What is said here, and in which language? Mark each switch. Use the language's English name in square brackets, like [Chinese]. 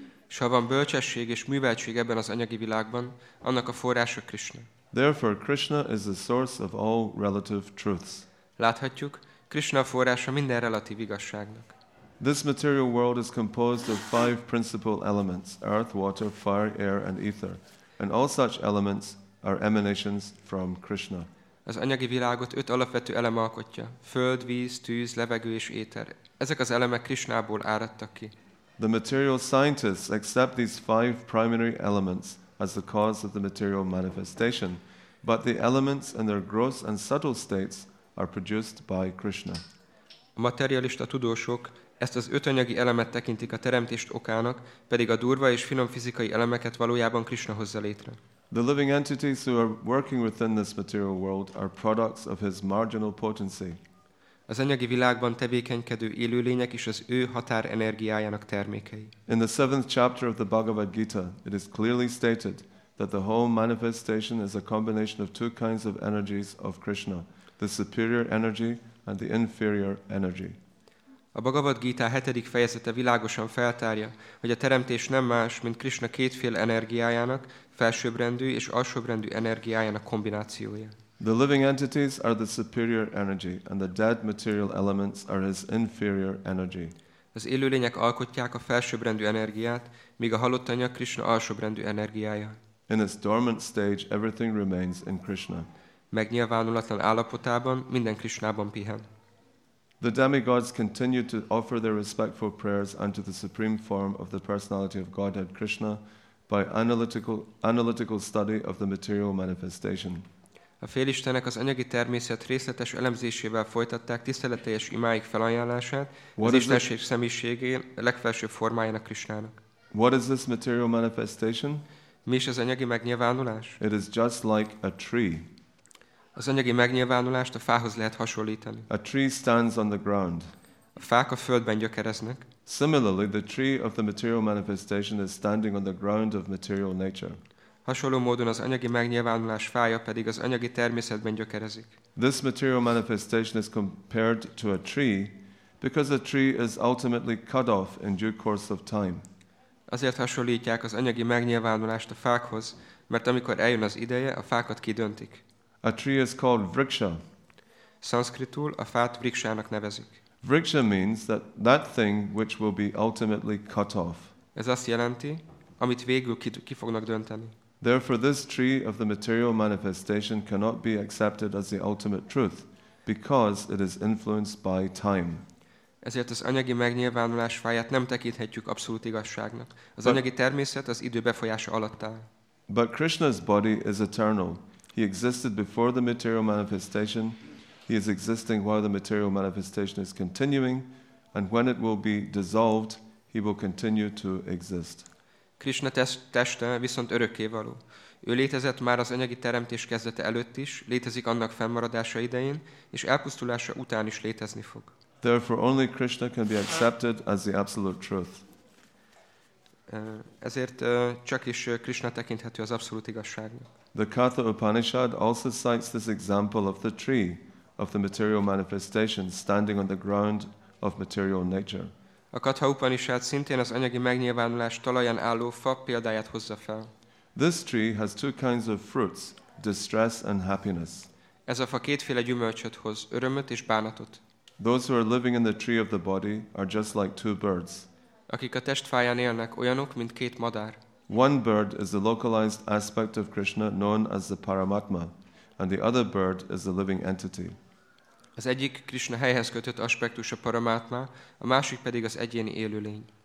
[Hungarian] S ha van bölcsesség és műveltség ebben az anyagi világban, annak a forrása Krishna. [English] Therefore, Krishna is the source of all relative truths. [Hungarian] Láthatjuk, Krishna a forrása minden relatív igazságnak. [English] This material world is composed of five principal elements: earth, water, fire, air, and ether. And all such elements are emanations from Krishna. [Hungarian] Az anyagi világot öt alapvető elem alkotja: föld, víz, tűz, levegő és éter. Ezek az elemek Krishnából áradtak ki. [English] The material scientists accept these five primary elements as the cause of the material manifestation, but the elements in their gross and subtle states are produced by Krishna. [Hungarian] A materialista tudósok ezt az öt anyagi elemet tekintik a teremtést okának, pedig a durva és finom fizikai elemeket valójában Krishna hozza létre. [English] The living entities who are working within this material world are products of his marginal potency. [Hungarian] Az anyagi világban tevékenykedő élőlények is az ő határ energiájának termékei. [English] In the seventh chapter of the Bhagavad Gita, it is clearly stated that the whole manifestation is a combination of two kinds of energies of Krishna, the superior energy and the inferior energy. [Hungarian] A Bhagavad Gita 7. fejezete világosan feltárja, hogy a teremtés nem más, mint Krishna kétféle energiájának, felsőbbrendű és alsóbbrendű energiájának kombinációja. [English] The living entities are the superior energy, and the dead material elements are his inferior energy. [Hungarian] Az élőlények alkotják a felsőbbrendű energiát, míg a halott anyag Krishna alsóbbrendű energiája. [English] In its dormant stage, everything remains in Krishna. [Hungarian] Megnyilvánulatlan állapotában minden Krishnában pihen. [English] The demigods continued to offer their respectful prayers unto the supreme form of the personality of Godhead Krishna by analytical study of the material manifestation. [Hungarian] A félistenek az anyagi természet részletes elemzésével folytatták tiszteleteljes imáik felajánlását az Istenség személyiségén legfelsőbb formájának Krisnának. [English] What is this material manifestation? [Hungarian] Mi is az anyagi megnyilvánulás? [English] It is just like a tree. [Hungarian] Az anyagi megnyilvánulást a fához lehet hasonlítani. [English] A tree stands on the ground. [Hungarian] A fák a földben gyökereznek. [English] Similarly, the tree of the material manifestation is standing on the ground of material nature. [Hungarian] Hasonló módon az anyagi megnyilvánulás fája pedig az anyagi természetben gyökerezik. [English] This material manifestation is compared to a tree because a tree is ultimately cut off in due course of time. [Hungarian] Azért hasonlítják az anyagi megnyilvánulást a fákhoz, mert amikor eljön az ideje, a fákat kidöntik. [English] A tree is called vriksha. [Hungarian] Sanskritul a fát vriksának nevezik. [English] Vriksha means that thing which will be ultimately cut off. [Hungarian] Ez azt jelenti, amit végül ki fognak dönteni. [English] Therefore, this tree of the material manifestation cannot be accepted as the ultimate truth, because it is influenced by time. [Hungarian] Ezért az anyagi megnyilvánulás fáját nem tekinthetjük abszolút igazságnak. Az anyagi természet az idő befolyása alatt áll. [English] But Krishna's body is eternal. He existed before the material manifestation. He is existing while the material manifestation is continuing, and when it will be dissolved, he will continue to exist. [Hungarian] Krishna teste viszont örökkévaló. Ő létezett már az anyagi teremtés kezdete előtt is, létezik annak fennmaradása idején, és elpusztulása után is létezni fog. [English] Therefore only Krishna can be accepted as the absolute truth. [Hungarian] Ezért csak is Krishna tekinthető az abszolút igazságnak. [English] The Katha Upanishad also cites this example of the tree of the material manifestation standing on the ground of material nature. [Hungarian] A Katha Upanishad szintén az anyagi megnyilvánulás talaján álló fa példáját hozza fel. [English] This tree has two kinds of fruits, distress and happiness. [Hungarian] Ez a fa kétféle gyümölcsöt hoz, örömöt és bánatot. [English] Those who are living in the tree of the body are just like two birds. [Hungarian] Akik a testfáján élnek, olyanok, mint két madár. [English] One bird is the localized aspect of Krishna known as the Paramatma, and the other bird is the living entity. [Hungarian] Az egyik Krishna helyhez kötött aspektus a Paramatma, a másik pedig az egyéni élőlény.